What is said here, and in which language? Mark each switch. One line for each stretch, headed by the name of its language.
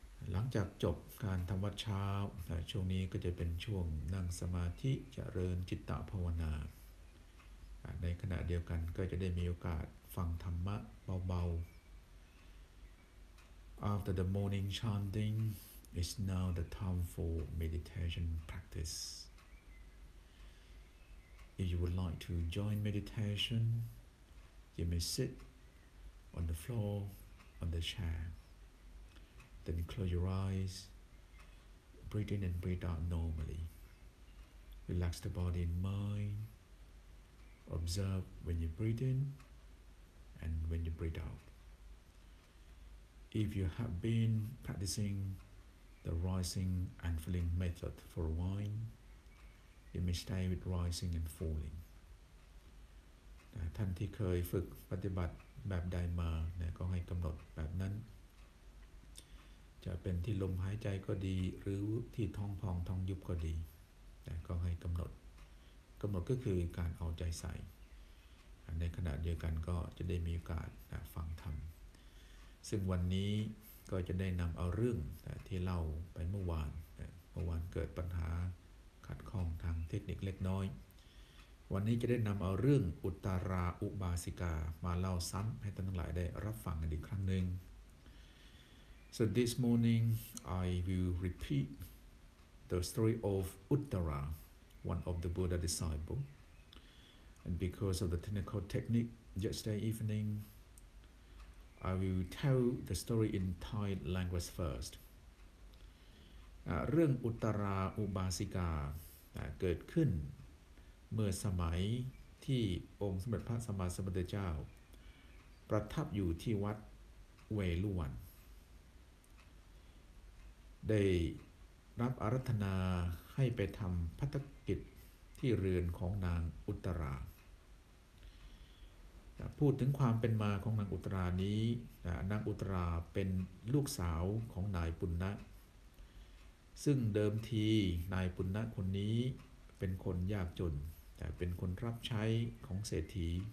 Thai: หลังจากจบการทำวัดเช้าช่วงนี้ก็จะเป็นช่วงนั่งสมาธิเจริญจิตตภาวนาในขณะเดียวกันก็จะได้มีโอกาสฟังธรรมะเบาๆ
English: After the morning chanting, it's now the time for meditation practice. If you would like to join meditation, you may sit on the floor on the chair. Then close your eyes, breathe in and breathe out normally. Relax the body and mind. Observe when you breathe in and when you breathe out. If you have been practicing the rising and falling method for a while, you may stay with rising and falling.
Thai: ท่านที่เคยฝึกปฏิบัติแบบใดมาเนี่ยก็ให้กำหนดแบบนั้นจะเป็นที่ลมหายใจก็ดีหรือที่ท้องพองท้องยุบก็ดีแต่ก็ให้กำหนดกำหนดก็คือการเอาใจใส่ ในขณะเดียวกันก็จะได้มีโอกาสฟังธรรมซึ่งวันนี้ก็จะได้นำเอาเรื่องที่เล่าไปเมื่อวานเกิดปัญหาขัดข้องทางเทคนิคเล็กน้อยวันนี้จะได้นำเอาเรื่องอุตตราอุบาสิกามาเล่าซ้ำให้ท่านทั้งหลายได้รับฟังกันอีกครั้งหนึ่ง
English: So this morning I will repeat the story of Uttara. One of the Buddha disciple, and because of the technical technique yesterday evening, I will tell the story in Thai language first.
Thai: เรื่องอุตตราอุบาสิกาเกิดขึ้นเมื่อสมัยที่องค์สมเด็จพระสัมมาสัมพุทธเจ้าประทับอยู่ที่วัดเวลุวัน ได้รับอารัธนาให้ไปทำภัตตกิจที่เรือนของนางอุตตราพูดถึงความเป็นมาของนางอุตตรานี้นางอุตตราเป็นลูกสาวของนายปุณณะซึ่งเดิมทีนายปุณณะคนนี้เป็นคนยากจนแต่เป็นคนรับใช้ของเศรษฐี